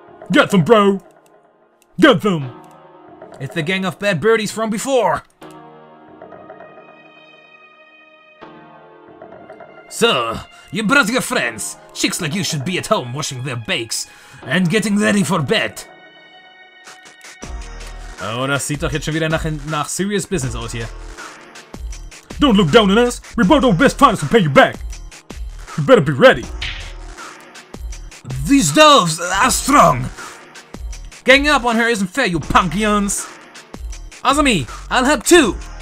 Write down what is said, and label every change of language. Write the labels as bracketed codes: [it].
[en] Get them, bro! Get them! It's the gang of bad birdies from before! So, you brought your friends. Chicks like you should be at home washing their bakes and getting ready for bed. [de] Oh, das sieht doch jetzt schon wieder nach [en] serious business [de] aus hier. [en] Don't look down on us. We brought our best finest to pay you back. You better be ready. These doves are strong. Ganging up on her isn't fair, you punkions. Azumi, I'll help too.